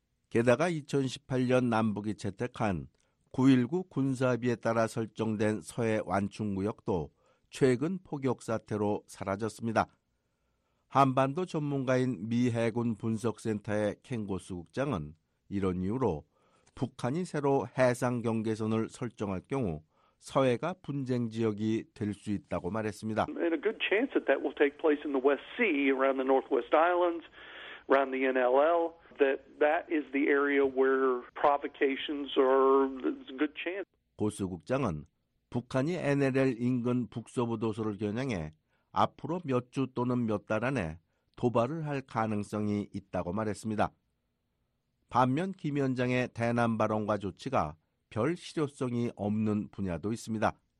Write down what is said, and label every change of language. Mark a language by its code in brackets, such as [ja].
[ko] 게다가 2018년 남북이 채택한 9.19 군사합의에 따라 설정된 서해 완충구역도 최근 포격 사태로 사라졌습니다. 한반도 전문가인 미 해군 분석센터의 켄고스 국장은 이런 이유로 북한이 새로 해상 경계선을 설정할 경우 서해가 분쟁 지역이 될 수 있다고 말했습니다. [en] And a good chance that that will take place in the West Sea around the Northwest Islands. Around the NLL, that is the area where provocations are a good chance. [ko] 고수 국장은 북한이 NLL 인근 북서부 도서를 겨냥해 앞으로 몇 주 또는 몇 달 안에 도발을 할 가능성이 있다고 말했습니다. 반면 김 위원장의 대남 발언과 조치가 별 실효성이 없는 분야도 있습니다.